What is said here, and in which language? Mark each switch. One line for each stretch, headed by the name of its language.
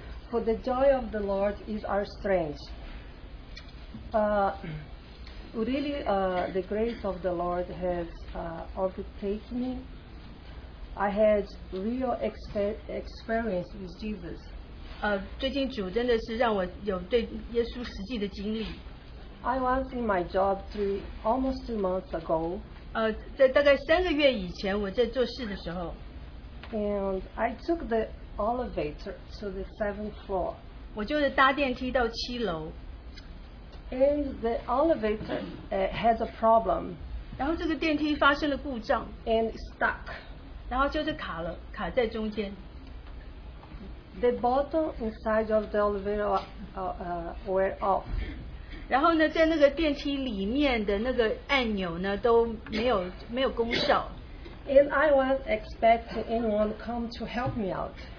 English: For the joy of the Lord is our strength. Really, the grace of the Lord has overtaken me. I had real experience with Jesus.
Chinese: 最近主真的是让我有对耶稣实际的经历。
English: I was in my job almost two months ago.
Chinese: 在大概三个月以前我在做事的时候。
English: And I took the elevator to the seventh floor.
Chinese: 我就是搭电梯到七楼。
English: And the elevator has a problem.
Chinese: 然后这个电梯发生了故障。
English: And stuck.
Chinese: 然后就是卡了，卡在中间。
English: The bottom inside of the elevator were off.
Chinese: 然后呢，在那个电梯里面的那个按钮呢都没有功效。
English: And I was expecting anyone come to help me out.